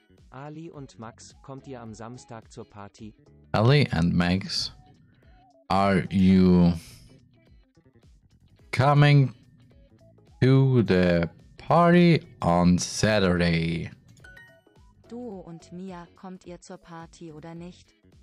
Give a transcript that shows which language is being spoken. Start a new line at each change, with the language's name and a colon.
German: Ali und Max, kommt ihr am Samstag zur Party?
English: Ali and Max, are you coming to the party on Saturday?
German: Duo und Mia, kommt ihr zur Party oder nicht?